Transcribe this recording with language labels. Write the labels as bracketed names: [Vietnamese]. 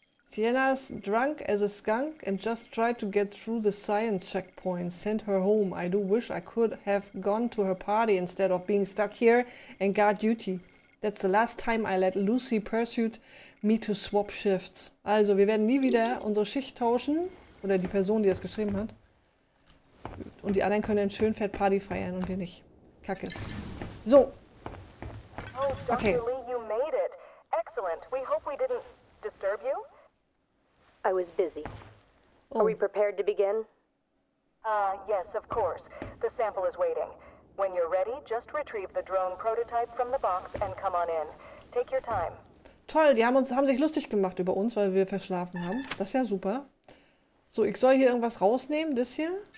[English] Sienna's drunk as a skunk and just tried to get through the science checkpoint. Send her home. I do wish I could have gone to her party instead of being stuck here and guard duty. That's the last time I let Lucy pursue me to swap shifts. [German] Also, wir werden nie wieder unsere Schicht tauschen. Oder die Person, die das geschrieben hat. Und die anderen können dann schön fett Party feiern und wir nicht. Kacke. So. Okay. [English] Oh, Dr. Lee, you made it. Excellent. We hope we didn't disturb you. I was busy. Oh. Are we prepared to begin? Yes, of course. The sample is waiting. When you're ready, just retrieve the drone prototype from the box and come on in. Take your time. [German] Toll, die haben sich lustig gemacht über uns, weil wir verschlafen haben. Das ist ja super. So, ich soll hier irgendwas rausnehmen, das hier.